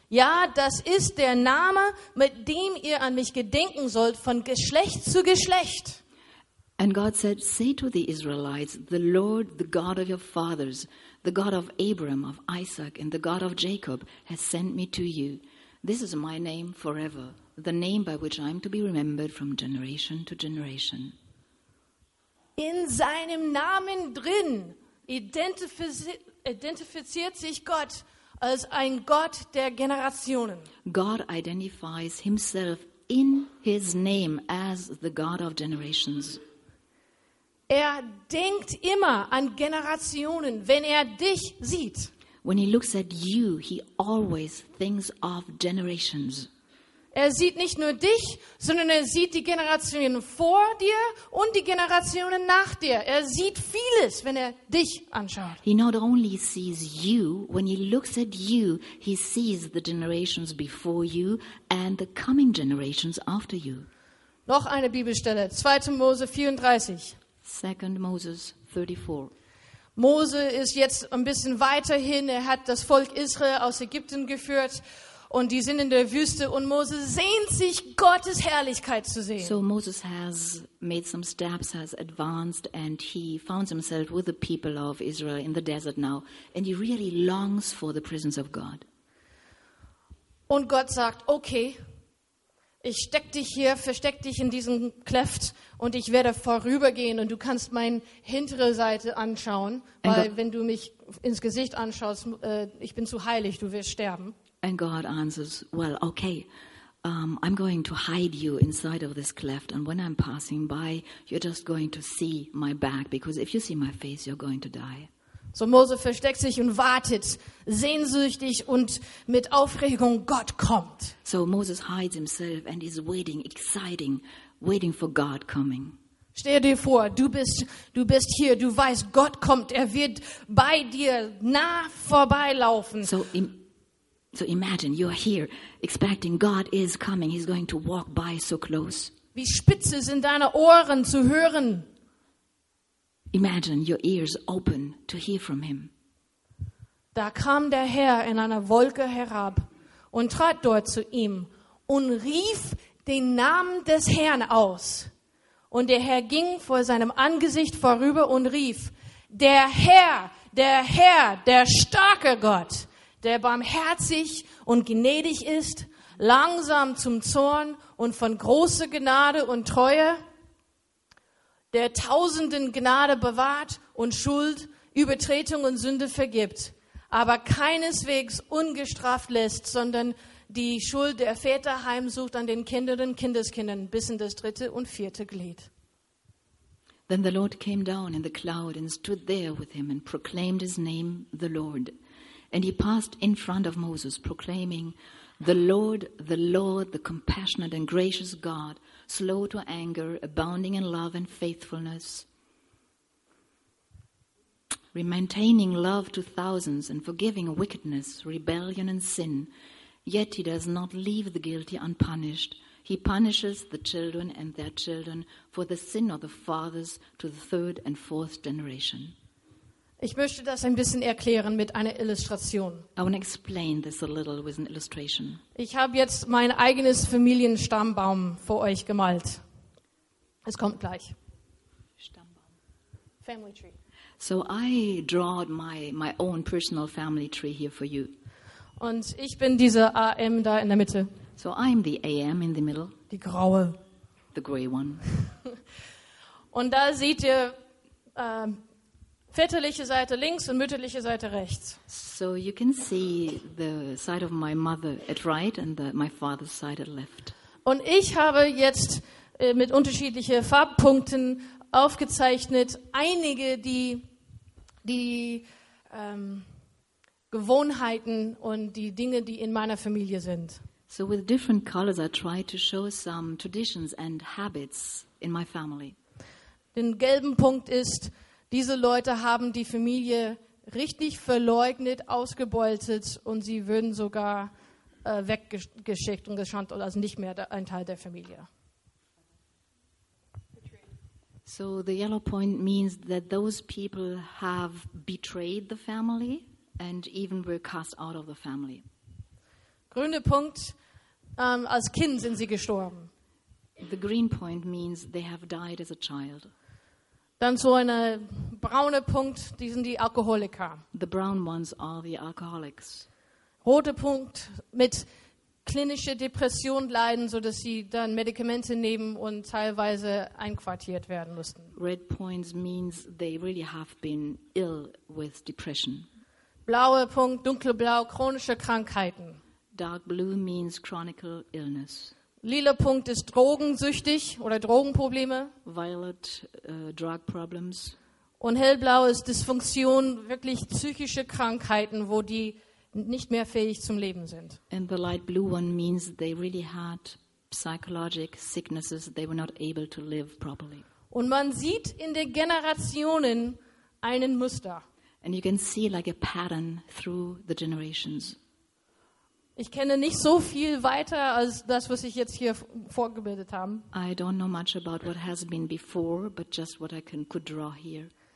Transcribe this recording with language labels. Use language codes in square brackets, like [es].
[de] Ja, das ist der Name, mit dem ihr an mich gedenken sollt von Geschlecht zu Geschlecht. [en] And God said, say to the Israelites, the Lord, the God of your fathers, the God of Abraham, of Isaac and the God of Jacob has sent me to you. This is my name forever, the name by which I am to be remembered from generation to generation. [de] In seinem Namen drin identifiziert sich Gott als ein Gott der Generationen. [en] God identifies himself in his name as the God of generations. [de] Er denkt immer an Generationen, wenn er dich sieht. [en] When he looks at you, he always thinks of generations. [de] Er sieht nicht nur dich, sondern er sieht die Generationen vor dir und die Generationen nach dir. Er sieht vieles, wenn er dich anschaut. [en] He not only sees you, when he looks at you, he sees the generations before you and the coming generations after you. [de] Noch eine Bibelstelle, 2. Mose 34. [en] 2. Moses 34. [de] Mose ist jetzt ein bisschen weiterhin. Er hat das Volk Israel aus Ägypten geführt und die sind in der Wüste und Mose sehnt sich, Gottes Herrlichkeit zu sehen. [en] So Moses has made some steps, has advanced and he found himself with the people of Israel in the desert now and he really longs for the presence of God. [de] Und Gott sagt, okay, ich steck dich hier, versteck dich in diesem Kleft und ich werde vorübergehen und du kannst meine hintere Seite anschauen, weil wenn du mich ins Gesicht anschaust, ich bin zu heilig, du wirst sterben. [en] And God answers, well, okay, I'm going to hide you inside of this cleft and when I'm passing by, you're just going to see my back because if you see my face, you're going to die. [de] So Mose versteckt sich und wartet sehnsüchtig und mit Aufregung, Gott kommt. [en] So Moses hides himself and is waiting, exciting, waiting for God coming. [de] Stell dir vor, du bist hier, du weißt, Gott kommt, er wird bei dir nah vorbeilaufen. [en] So imagine, you are here, expecting God is coming, he's going to walk by so close. [de] Wie spitze sind deine Ohren zu hören. [en] Imagine your ears open to hear from him. [de] Da kam der Herr in einer Wolke herab und trat dort zu ihm und rief den Namen des Herrn aus. Und der Herr ging vor seinem Angesicht vorüber und rief, der Herr, der Herr, der starke Gott, der barmherzig und gnädig ist, langsam zum Zorn und von großer Gnade und Treue, der tausenden Gnade bewahrt und Schuld, Übertretung und Sünde vergibt, aber keineswegs ungestraft lässt, sondern die Schuld der Väter heimsucht an den Kindern und Kindeskindern bis in das dritte und vierte Glied. [en] Then the Lord came down in the cloud and stood there with him and proclaimed his name, the Lord. And he passed in front of Moses, proclaiming, the Lord, the compassionate and gracious God, slow to anger, abounding in love and faithfulness, maintaining love to thousands and forgiving wickedness, rebellion and sin. Yet he does not leave the guilty unpunished. He punishes the children and their children for the sin of the fathers to the third and fourth generation. [de] Ich möchte das ein bisschen erklären mit einer Illustration. [en] I want to explain this a little with an illustration. [de] Ich habe jetzt mein eigenes Familienstammbaum vor euch gemalt. Es kommt gleich. Stammbaum. [en] Family tree. So I draw my own personal family tree here for you. [de] Und ich bin diese AM da in der Mitte. [en] So I'm the AM in the middle. [de] Die graue. [en] The gray one. [de] Und da seht ihr väterliche Seite links und mütterliche Seite rechts. [en] So you can see the side of my mother at right and my father's side at left. [de] Und ich habe jetzt mit unterschiedlichen Farbpunkten aufgezeichnet einige die Gewohnheiten und die Dinge, die in meiner Familie sind. [en] So with different colors I try to show some traditions and habits in my family. [de] Den gelben Punkt ist, diese Leute haben die Familie richtig verleugnet, ausgebeutet und sie würden sogar weggeschickt und geschandt oder also nicht mehr ein Teil der Familie. [en] So the yellow point means that those people have betrayed the family and even were cast out of the family. [de] Grüne Punkt, als Kind sind sie gestorben. [en] The green point means they have died as a child. [de] Dann so eine braune Punkt, die sind die Alkoholiker. [en] The brown ones are the alcoholics. [de] Rote Punkt, mit klinischer Depression leiden, so dass sie dann Medikamente nehmen und teilweise einquartiert werden mussten. [en] Red points means they really have been ill with depression. [de] Blaue Punkt, dunkelblau, chronische Krankheiten. [en] Dark blue means chronic illness. [de] Lila Punkt ist drogensüchtig oder Drogenprobleme. [en] Violet, drug problems. [de] Und hellblau ist Dysfunktion, wirklich psychische Krankheiten, wo die nicht mehr fähig zum Leben sind. [en] And the light blue one means they really had psychological sicknesses, they were not able to live properly. [de] Und man sieht in den Generationen einen Muster. [en] And you can see like a pattern through the generations. [de] Ich kenne nicht so viel weiter als das, was ich jetzt hier vorgebildet habe. [en] I don't know much about what has been before, but just what I could draw here.